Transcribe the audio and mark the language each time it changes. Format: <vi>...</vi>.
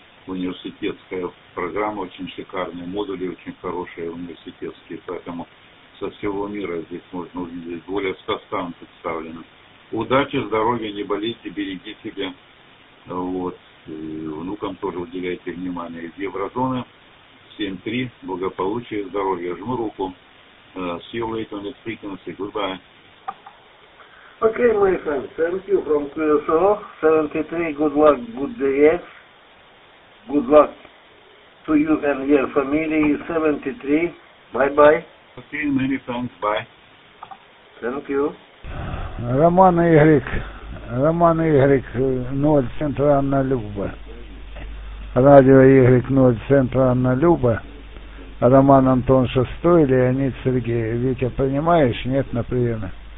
<ru>Университетская программа очень шикарная, модули очень хорошие университетские, поэтому со всего мира здесь можно увидеть. Более 100 стран представлено. Удачи, здоровья, не болейте, береги себя. Вот. Внукам тоже уделяйте внимание. Из еврозоны 7-3, благополучие, здоровье. Жму руку.</ru> <en>See you later, next frequency, goodbye. Okay, my friend, thank you from QSO, 73, good luck, good day, yes. Good luck to you and your family, 73, bye-bye. Okay, many thanks, bye. Thank you.</en> <ru>Роман Игорик, Роман Игорик, 0, Центр Анна Люба. Радио Игорик, 0, Центр Анна Люба. Роман Антон Шестой, Леонид Сергей. Витя, понимаешь, нет на приеме?</ru>